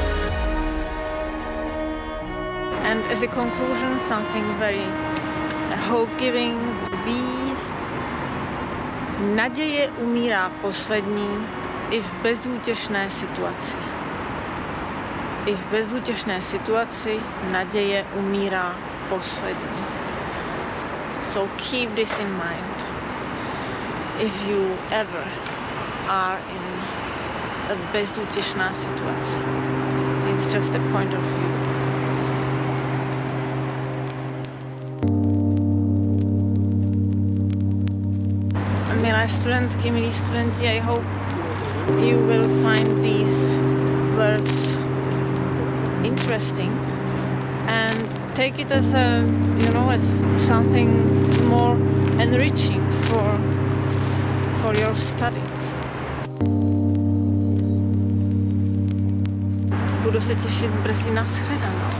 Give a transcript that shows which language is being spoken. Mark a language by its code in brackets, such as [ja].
[en] And as a conclusion, something very hope-giving would be: [cs] naděje umírá poslední i v bezútěšné situaci. I v bezútěšné situaci naděje umírá poslední. [en] So keep this in mind if you ever are in a [cs] bezútěšná situace. [en] It's just a point of view. [cs] Studentky, milí studenti, [en] I hope you will find these words interesting and take it as a, you know, as something more enriching for your study. [cs] Budu se těšit brzy na shledanou.